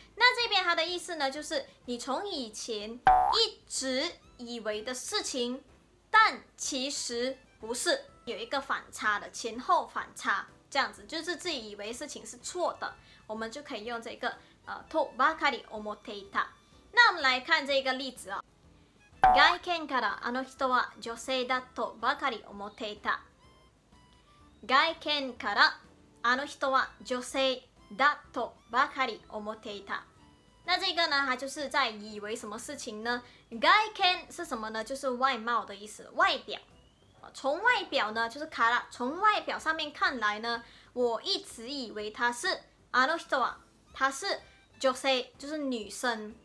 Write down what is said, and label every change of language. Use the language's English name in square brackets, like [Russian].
[Chinese] 那这边它的意思呢就是你从以前一直以为的事情，但其实不是，有一个反差的，前后反差，这样子就是自己以为事情是错的，我们就可以用这个とばかり思っていた。那我们来看这个例子。 [Japanese] 外見からあの人は女性だとばかり思っていた。外見からあの人は女性だとばかり思っていた。 [Chinese] 那这个呢，它就是在以为什么事情呢？外見是什么呢？就是外貌的意思，外表。从外表呢，就是卡拉。从外表上面看来呢，我一直以为他是 [Japanese] あの人は， [Chinese] 他是女性，就是女生。